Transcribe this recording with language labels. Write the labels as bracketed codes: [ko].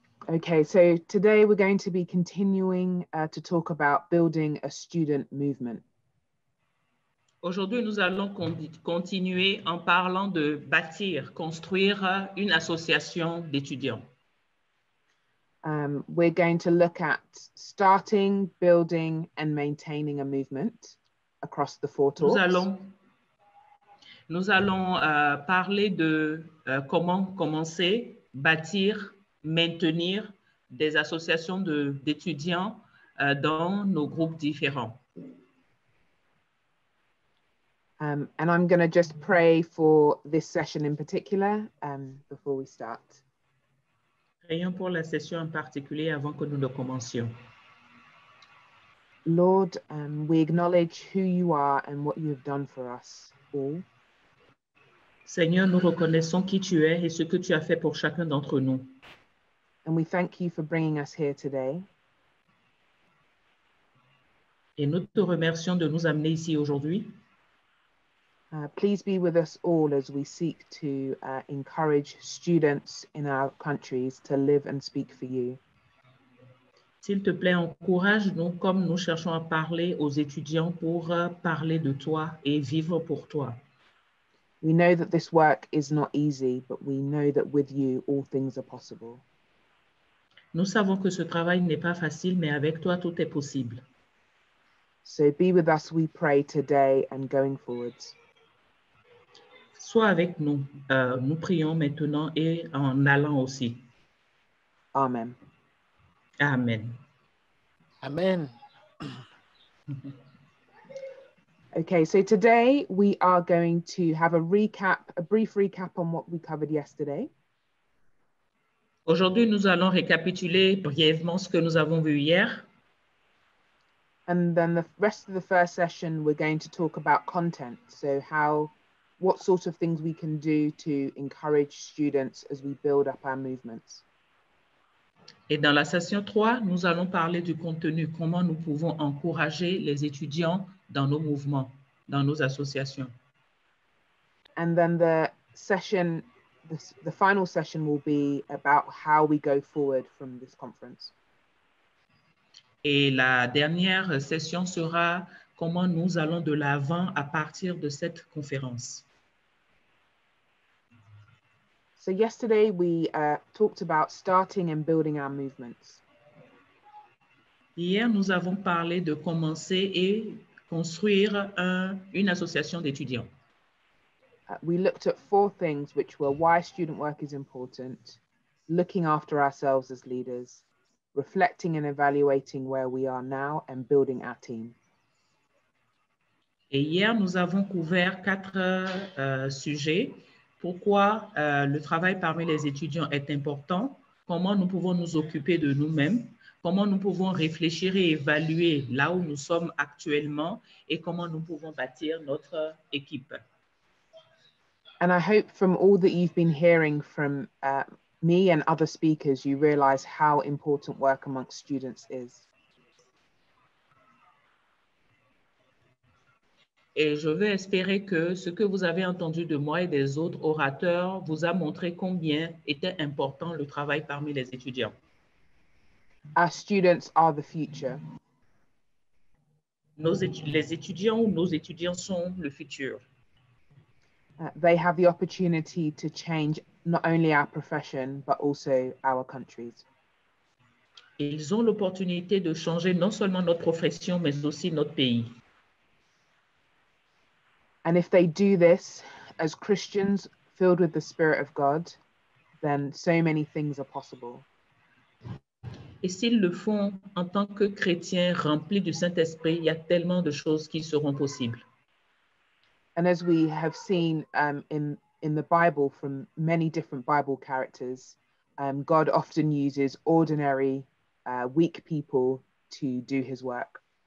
[en] Okay, so today we're going to be continuing to talk about building a student movement. [fr] Aujourd'hui, nous allons continuer en parlant de bâtir, construire une association d'étudiants. [en] We're going to look at starting, building and maintaining a movement across the four [fr] Nous [en] talks. [fr] allons parler de comment commencer, bâtir, maintenir des associations d'étudiants dans nos groupes différents. [en] And I'm going to just pray for this session in particular before we start. [fr] Prions pour la session en particulier avant que nous ne commencions. [en] Lord, we acknowledge who you are and what you have done for us all. [fr] Seigneur, nous reconnaissons qui tu es et ce que tu as fait pour chacun d'entre nous. [en] And we thank you for bringing us here today. [fr] Et nous te remercions de nous amener ici aujourd'hui. [en] Please be with us all as we seek to encourage students in our countries to live and speak for you. [fr] S'il te plaît, encourage-nous comme nous cherchons à parler aux étudiants pour parler de toi et vivre pour toi. [en] We know that this work is not easy, but we know that with you, all things are possible. [fr] Nous savons que ce travail n'est pas facile, mais avec toi, tout est possible. [en] So be with us, we pray, today and going forwards. [fr] Sois avec nous, nous prions maintenant et en allant aussi. [en] Amen. Amen. Amen. Okay, so today we are going to have a recap, a brief recap on what we covered yesterday. [fr] Aujourd'hui, nous allons récapituler brièvement ce que nous avons vu hier. [en] And then the rest of the first session, we're going to talk about content. So what sort of things we can do to encourage students as we build up our movements. [fr] Et dans la session 3, nous allons parler du contenu, comment nous pouvons encourager les étudiants dans nos mouvements, dans nos associations. [en] And then the final session will be about how we go forward from this conference. [fr] Et la dernière session sera comment nous allons de l'avant à partir de cette conférence. [en] So yesterday we talked about starting and building our movements. [fr] Hier, nous avons parlé de commencer et construire une association d'étudiants. [en] We looked at four things, which were why student work is important, looking after ourselves as leaders, reflecting and evaluating where we are now, and building our team. [fr] Et hier, nous avons couvert quatre sujets. Pourquoi le travail parmi les étudiants est important, comment nous pouvons nous occuper de nous-mêmes, comment nous pouvons réfléchir et évaluer là où nous sommes actuellement et comment nous pouvons bâtir notre équipe. [en] And I hope from all that you've been hearing from me and other speakers, you realize how important work amongst students is. [fr] Et je veux espérer que ce que vous avez entendu de moi et des autres orateurs vous a montré combien était important le travail parmi les étudiants. [en] Our students are the future. [fr] Nos étudiants sont le futur. [en] They have the opportunity to change not only our profession, but also our countries. [fr] Ils ont l'opportunité de changer non seulement notre profession, mais aussi notre pays. [en] And if they do this as Christians filled with the Spirit of God, then so many things are possible. [fr] Et s'ils le font en tant que chrétiens remplis du Saint-Esprit, il y a tellement de choses qui seront possibles. [en] And as we have seen in the Bible from many different Bible characters, God often uses ordinary, weak people to do his work.